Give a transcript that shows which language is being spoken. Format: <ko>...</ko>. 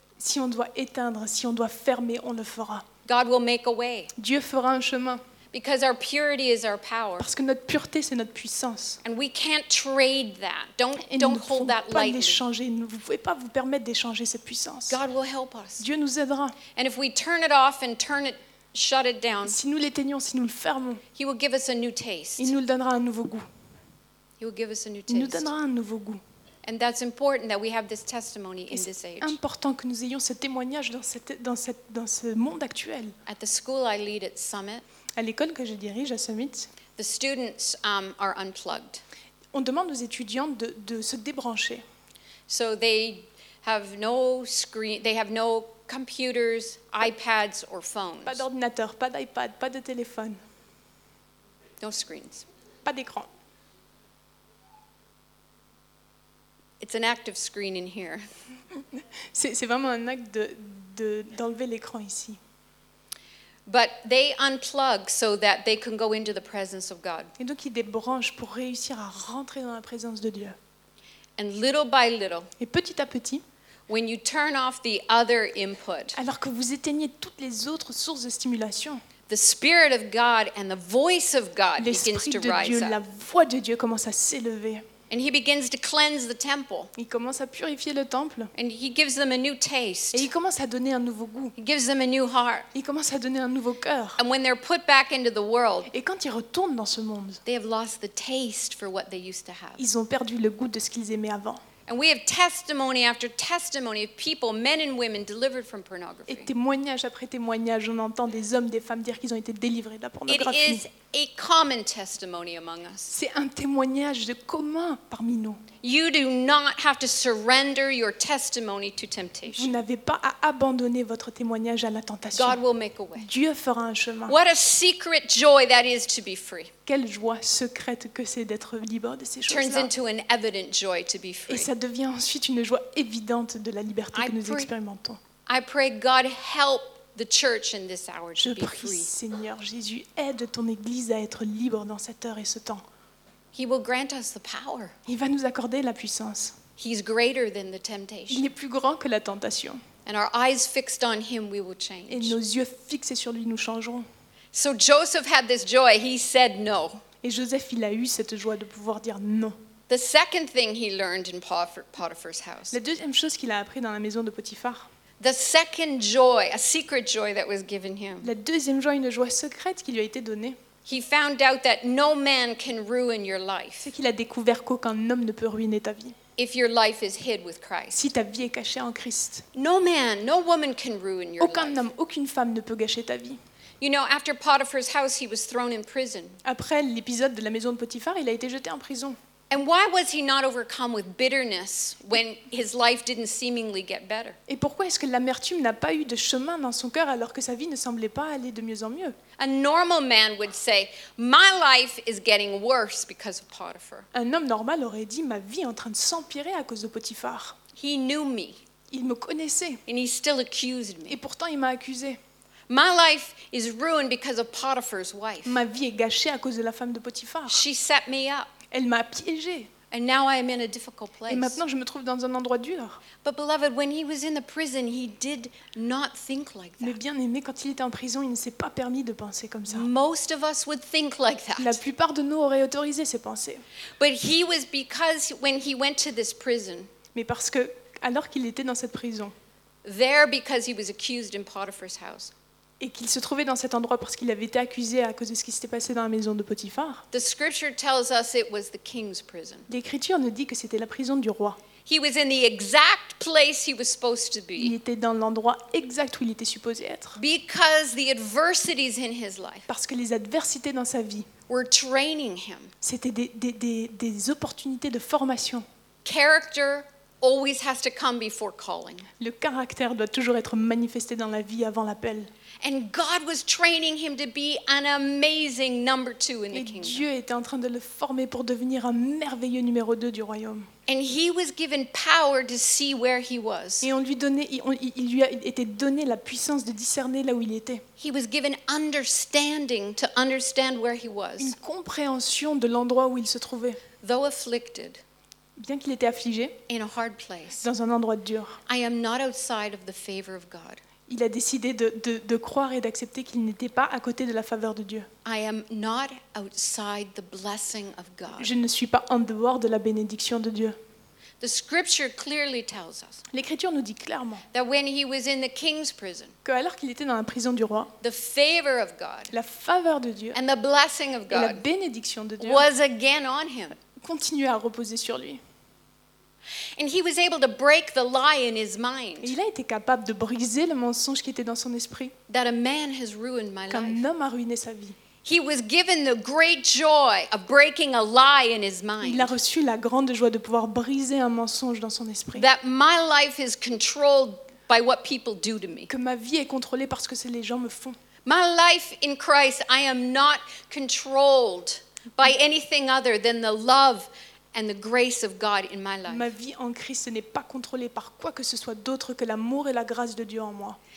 <fr>Si on doit éteindre, si on doit fermer, on le fera.</fr> <en>God will make a way.</en> <fr>Dieu fera un chemin.</fr> <en>Because our purity is our power.</en> <fr>Parce que notre pureté c'est notre puissance.</fr> <en>And we can't trade that. Don't hold that lightly.</en> <fr>Et nous ne pouvons pas l'échanger. Nous ne pouvons pas vous permettre d'échanger cette puissance.</fr> <en>God will help us.</en> <fr>Dieu nous aidera.</fr> <en>And if we turn it off and turn it, shut it down.</en> <fr>Si nous l'éteignons, si nous le fermons.</fr> <en>He will give us a new taste.</en> <fr>Il nous le donnera un nouveau goût.</fr> <en>He will give us a new taste.</en> <fr>Il nous donnera un nouveau goût.</fr> <en>And that's important that we have this testimony in this age.</en> <fr>C'est important que nous ayons ce témoignage dans ce monde actuel.</fr> <en>At the school I lead at Summit.</en> <fr>À l'école que je dirige à Summit,</fr> <en>the students, are unplugged.</en> <fr>On demande aux étudiants de se débrancher.</fr> <en>So they have no screen, they have no computers, iPads or phones.</en> <fr>Pas d'ordinateur, pas d'iPad, pas de téléphone.</fr> <en>No screens.</en> <fr>Pas d'écran.</fr> <en>It's an active screen in here.</en> <fr>c'est vraiment un acte de d'enlever l'écran ici.</fr> <en>But they unplug so that they can go into the presence of God.</en> <fr>Et donc ils débranchent pour réussir à rentrer dans la présence de Dieu.</fr> <en>And little by little.</en> <fr>Et petit à petit.</fr> <en>When you turn off the other input.</en> <fr>Alors que vous éteignez toutes les autres sources de stimulation.</fr> <en>The spirit of God and the voice of God begins to rise.</en> <fr>L'esprit de Dieu, la voix de Dieu commence à s'élever.</fr> <en>And he begins to cleanse the temple.</en> <fr>Il commence à purifier le temple.</fr> <en>And he gives them a new taste.</en> <fr>Et il commence à donner un nouveau goût.</fr> <en>He gives them a new heart.</en> <fr>Il commence à donner un nouveau cœur.</fr> <en>And when they're put back into the world.</en> <fr>Et quand ils retournent dans ce monde.</fr> <en>They have lost the taste for what they used to have.</en> <fr>Ils ont perdu le goût de ce qu'ils aimaient avant.</fr> <en>And we have testimony after testimony of people, men and women, delivered from pornography.</en> <fr>Et témoignage après témoignage, on entend des hommes, des femmes dire qu'ils ont été délivrés de la pornographie.</fr> <en>It is a common testimony among us.</en> <fr>C'est un témoignage de commun parmi nous.</fr> <en>You do not have to surrender your testimony to temptation.</en> <fr>Vous n'avez pas à abandonner votre témoignage à la tentation.</fr> <en>God will make a way.</en> <fr>Dieu fera un chemin.</fr> <en>What a secret joy that is to be free.</en> <fr>Quelle joie secrète que c'est d'être libre de ces choses-là.</fr> <en>Turns into an evident joy to be free.</en> <fr>Et ça devient ensuite une joie évidente de la liberté que nous expérimentons.</fr> <en>I pray God help the church in this hour to be free.</en> <fr>Je prie, Seigneur Jésus, aide ton Église à être libre dans cette heure et ce temps.</fr> <en>He will grant us the power.</en> <fr>Il va nous accorder la puissance.</fr> <en>He's greater than the temptation.</en> <fr>Il est plus grand que la tentation.</fr> <en>And our eyes fixed on him, we will change.</en> <fr>Et nos yeux fixés sur lui, nous changerons.</fr> <en>So Joseph had this joy. He said no.</en> <fr>Et Joseph, il a eu cette joie de pouvoir dire non.</fr> <en>The second thing he learned in Potiphar's house.</en> <fr>La deuxième chose qu'il a appris dans la maison de Potiphar.</fr> <en>The second joy, a secret joy that was given him.</en> <fr>La deuxième joie, une joie secrète qui lui a été donnée.</fr> <en>He found out that no man can ruin your life.</en> <fr>C'est qu'il a découvert qu'aucun homme ne peut ruiner ta vie.</fr> <en>If your life is hid with Christ.</en> <fr>Si ta vie est cachée en Christ.</fr> <en>No man, no woman can ruin your</en> <fr>aucun</fr> <en>life.</en> <fr>Aucun homme, aucune femme ne peut gâcher ta vie.</fr> <en>You know, after Potiphar's house, he was thrown in prison.</en> <fr>Après l'épisode de la maison de Potiphar, il a été jeté en prison.</fr> <en>And why was he not overcome with bitterness when his life didn't seemingly get better?</en> <fr>Et pourquoi est-ce que l'amertume n'a pas eu de chemin dans son cœur alors que sa vie ne semblait pas aller de mieux en mieux?</fr> <en>A normal man would say, "My life is getting worse because of Potiphar."</en> <fr>Un homme normal aurait dit, "Ma vie est en train de s'empirer à cause de Potiphar."</fr> <en>He knew me.</en> <fr>Il me connaissait.</fr> <en>And he still accused me.</en> <fr>Et pourtant il m'a accusé.</fr> <en>My life is ruined because of Potiphar's wife.</en> <fr>Ma vie est gâchée à cause de la femme de Potiphar.</fr> <en>She set me up.</en> <fr>Elle m'a piégée.</fr> <en>And now I am in a difficult place.</en> <fr>Et maintenant je me trouve dans un endroit dur.</fr> <en>But beloved, when he was in the prison, he did not think like that.</en> <fr>Mais bien-aimé, quand il était en prison, il ne s'est pas permis de penser comme ça.</fr> <en>Most of us would think like that.</en> <fr>La plupart de nous auraient autorisé ces pensées.</fr> <en>But he was because when he went to this prison.</en> <fr>Mais parce que alors qu'il était dans cette prison.</fr> <en>There because he was accused in Potiphar's house.</en> <fr>Et qu'il se trouvait dans cet endroit parce qu'il avait été accusé à cause de ce qui s'était passé dans la maison de Potiphar.</fr> <en>The scripture tells us it was the king's prison.</en> <fr>L'écriture nous dit que c'était la prison du roi.</fr> <en>He was in the exact place he was supposed to be.</en> <fr>Il était dans l'endroit exact où il était supposé être.</fr> <en>Because the adversities in his life.</en> <fr>Parce que les adversités dans sa vie.</fr> <en>Were training him.</en> <fr>C'était des opportunités de formation.</fr> <en>Character always has to come before calling.</en> <fr>Le caractère doit toujours être manifesté dans la vie avant l'appel.</fr> <en>And God was training him to be an amazing number two in the kingdom.</en> <fr>Et Dieu était en train de le former pour devenir un merveilleux numéro 2 du royaume.</fr> <en>And he was given power to see where he was.</en> <fr>Et il lui a été donné la puissance de discerner là où il était.</fr> <en>He was given understanding to understand where he was.</en> <fr>Une compréhension de l'endroit où il se trouvait.</fr> <en>Though afflicted.</en> <fr>Bien qu'il était affligé.</fr> <en>In a hard place.</en> <fr>Dans un endroit dur.</fr> <en>I am not outside of the favor of God.</en> <fr>Il a décidé de croire et d'accepter qu'il n'était pas à côté de la faveur de Dieu.</fr> <en>I am not outside the blessing of God.</en> <fr>Je ne suis pas en dehors de la bénédiction de Dieu.</fr> <en>The scripture clearly tells us.</en> <fr>L'écriture nous dit clairement.</fr> <en>That when he was in the king's prison.</en> <fr>Que alors qu'il était dans la prison du roi.</fr> <en>The favor of God.</en> <fr>La faveur de Dieu.</fr> <en>And the blessing of God.</en> <fr>Et la bénédiction de Dieu.</fr> <en>Was again on him.</en> <fr>Continue à reposer sur lui.</fr> <en>And he was able to break the lie in his mind.</en> <fr>Il a été capable de briser le mensonge qui était dans son esprit.</fr> <en>That a man has ruined my life.</en> <fr>Qu'un homme a ruiné sa vie.</fr> <en>He was given the great joy of breaking a lie in his mind.</en> <fr>Il a reçu la grande joie de pouvoir briser un mensonge dans son esprit.</fr> <en>That my life is controlled by what people do to me.</en> <fr>Que ma vie est contrôlée parce que c'est les gens me font.</fr> <en>My life in Christ, I am not controlled by anything other than the love and the grace of God in my life.</en> <fr>Ma vie en Christ n'est pas contrôlée par quoi que ce soit d'autre que l'amour et la grâce de Dieu en moi.</fr>